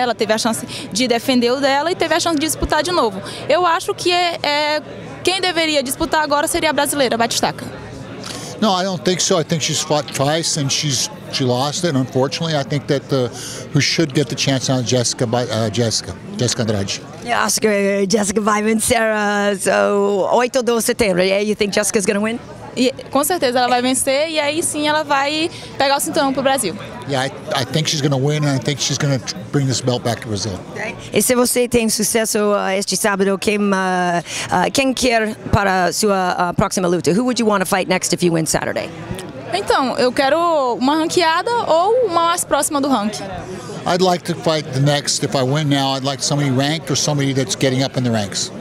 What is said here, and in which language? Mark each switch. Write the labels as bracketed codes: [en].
[pt] Ela teve a chance de defender o dela e teve a chance de disputar de novo. Eu acho que quem deveria disputar agora seria a brasileira, a Batistaca. [en] No, I don't think so. I think she's fought twice and she lost it, unfortunately. I think that who should get the chance now is Jessica, Jessica Andrade. [pt] Yeah, Oscar, Jessica vai vencer 8 de setembro, yeah? [en] You think Jessica's going to win? [pt] Yeah, com certeza ela vai vencer e aí sim ela vai pegar o cinturão pro Brasil. [en] Yeah, I think she's going to win and I think she's going to bring this belt back to Brazil. [pt] E se você tem sucesso este sábado, quem quer para sua próxima luta? [en] Who would you want to fight next if you win Saturday? [pt] Então, eu quero uma ranqueada ou uma mais próxima do ranking. [en] I'd like to fight the next if I win now. I'd like somebody ranked or somebody that's getting up in the ranks.